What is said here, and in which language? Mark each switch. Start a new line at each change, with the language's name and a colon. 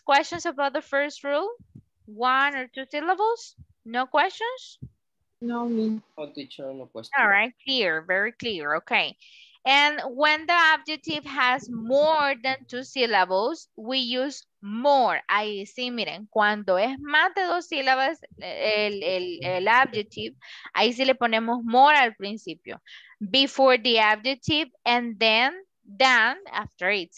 English: Questions about the first rule? One or two syllables? No questions? No, teacher. All right, clear, very clear, okay. And when the adjective has more than two syllables, we use more.
Spanish: Ahí sí, miren, cuando es más de dos sílabas el adjective, ahí sí le ponemos more al principio.
English: Before the adjective and then than after it.